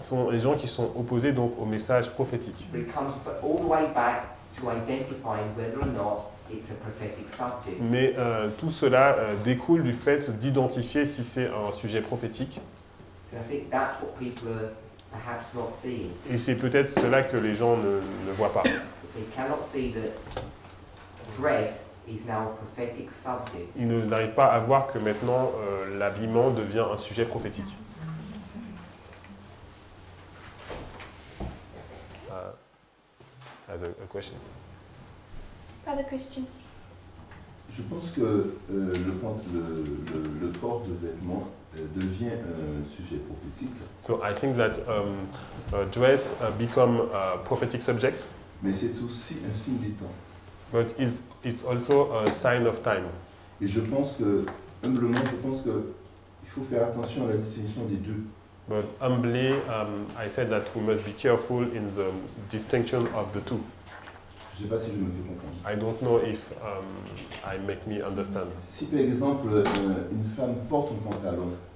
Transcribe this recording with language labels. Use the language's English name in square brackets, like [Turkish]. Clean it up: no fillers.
[French] Sont les gens qui sont opposés donc au message prophétique. [English] It comes all the way back to identifying whether or not it's a prophetic subject. [French] Mais tout cela découle du fait d'identifier si c'est un sujet prophétique. [English] And I think that's what people are perhaps not seeing. [French] Et c'est peut-être cela que les gens ne voient pas. [English] They cannot see that dress is now a prophetic subject. [French] Ils n'arrivent pas à voir que maintenant l'habillement devient un sujet prophétique. [English] A question. Brother Christian. [French] Je pense que le port de vêtements devient un sujet prophétique. [English] So I think that dress become a prophetic subject. [French] Mais c'est aussi un signe des temps. [English] But it's also a sign of time. [French] Et je pense que humblement, je pense que il faut faire attention à la distinction des deux. [English] But humbly, I said that we must be careful in the distinction of the two. [French] Je ne sais pas si je me fais comprendre. [English] I don't know if I make me understand. [French] Si par exemple une femme porte un pantalon.